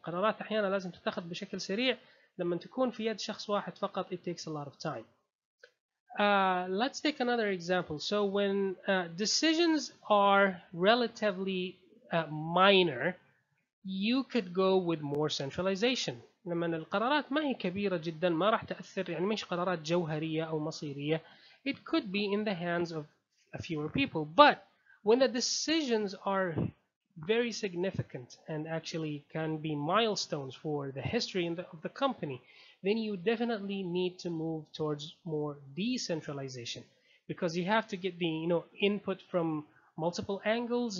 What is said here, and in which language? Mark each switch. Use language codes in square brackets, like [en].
[ar] قرارات أحيانا لازم تتخذ بشكل سريع لما تكون في يد شخص واحد فقط. [en] It takes a lot of time. Let's take another example. So when decisions are relatively minor, you could go with more centralization. [ar] لما القرارات ما هي كبيرة جدا ما راح تأثر يعني مش قرارات جوهرية أو مصيرية. [en] It could be in the hands of a fewer people, but when the decisions are very significant and actually can be milestones for the history of the company, then you definitely need to move towards more decentralization, because you have to get the, you know, input from multiple angles.